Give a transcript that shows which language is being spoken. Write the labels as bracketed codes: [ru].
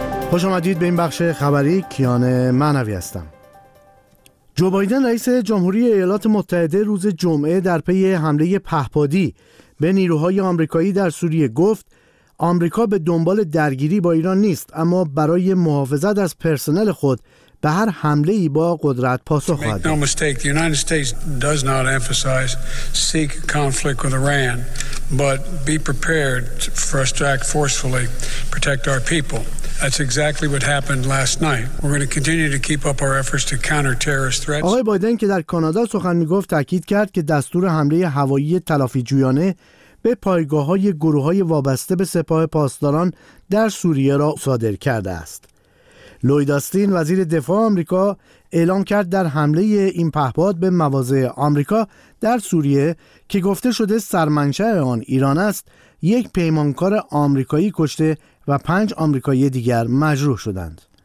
[fa] خوش آمدید به این بخش خبری، کیان معنوی هستم. جو بایدن رئیس جمهوری ایالات متحده روز جمعه در پی حمله پهپادی به نیروهای آمریکایی در سوریه گفت آمریکا به دنبال درگیری با ایران نیست، اما برای محافظت از پرسنل خود به هر حمله ای با قدرت پاسخ خواهد داد. [en] The United States does not emphasize seek conflict with Iran, but be prepared for us to act forcefully protect our people. That's exactly what happened last night. We're going to continue to keep up our efforts to counter terrorist threats. [fa] آقای بایدن که در کانادا سخن می گفت تاکید کرد که دستور حمله هوایی تلافی جویانه به پایگاه‌های گروه‌های وابسته به سپاه پاسداران در سوریه را صادر کرده است. لوید آستین وزیر دفاع آمریکا اعلام کرد در حمله این پهپاد به مواضع آمریکا در سوریه که گفته شده سرمنشأ آن ایران است، یک پیمانکار آمریکایی کشته و 5 آمریکایی دیگر مجروح شدند.